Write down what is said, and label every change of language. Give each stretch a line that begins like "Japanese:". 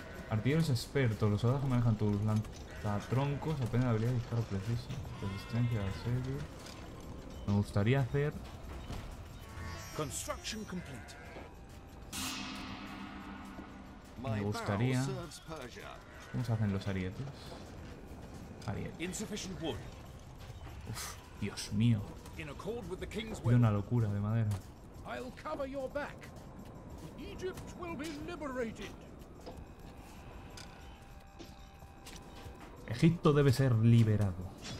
Spanish: Artilleros expertos. Los soldados que manejan tus lanzatroncos aprenden la habilidad de disparo preciso. Resistencia de asedio. Me gustaría hacer.
English: Construction complete.
Spanish: Me gustaría. ¿Cómo se hacen los arietes?
English: Insufficient wood.
Spanish: Uf, Dios mío.
English: In accord with the king's
Spanish: will. Una locura de madera.
English: I'll cover your back. Egypt will be liberated.
Spanish: Egipto debe ser liberado.